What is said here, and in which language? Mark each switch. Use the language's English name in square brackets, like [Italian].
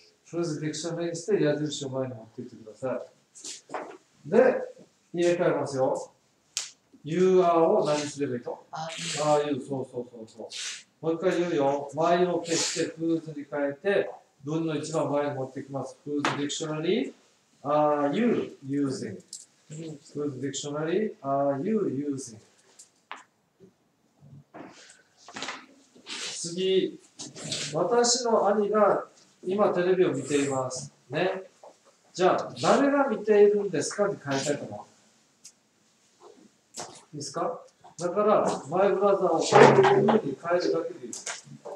[Japanese] とりあえずディクショナリーにして矢印を前に持っていってください。で、入れ替えますよ。 [English] You are [Japanese] を何すればいいと [English] Are [Japanese] you? そうそうそうそう。もう一回言うよ。前を消して Who's に変えて文の一番前に持ってきます。 [English] Who's dictionary are you using? Who's dictionary are you using? [Japanese] 次、私の兄が今テレビを見ています。ね。じゃあ、誰が見ているんですかに変えたいと思う。いいですか？だから、マイブラザーをフーに変えるだけでいいです。